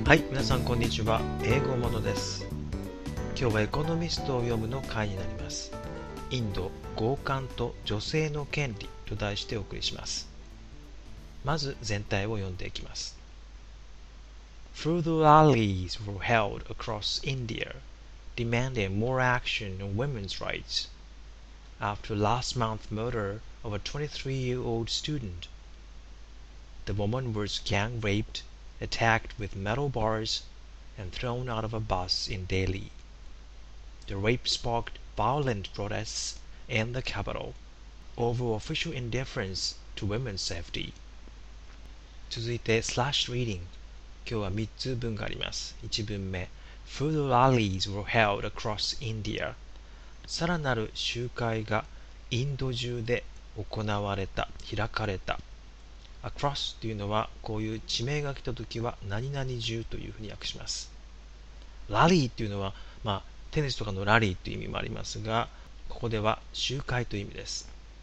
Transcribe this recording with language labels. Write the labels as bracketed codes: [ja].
[ja] 皆さんこんにちは、英語モノです。今日はエコノミストを読むの回になります。インド、強姦と女性の権利と題してお送りします。まず全体を読んでいきます。 [en] Feudal alleys were held across India demanding more action on women's rights after last month's murder of a 23-year-old student. The woman was gang-raped,attacked with metal bars and thrown out of a bus in Delhi. The rape sparked violent protests in the capital over official indifference to women's safety. [ja] 続いてスラッシュリーディング。今日は3つ文があります。 1文目、 [en] Feudal alleys were held across India. [ja] さらなる集会がインド中で行われた、開かれた。 Across というのは、こういう地名が来たときは何々中というふうに訳します。ラリーというのは、まあ、テニスとかのラリーという意味もありますが、ここでは集会という意味です。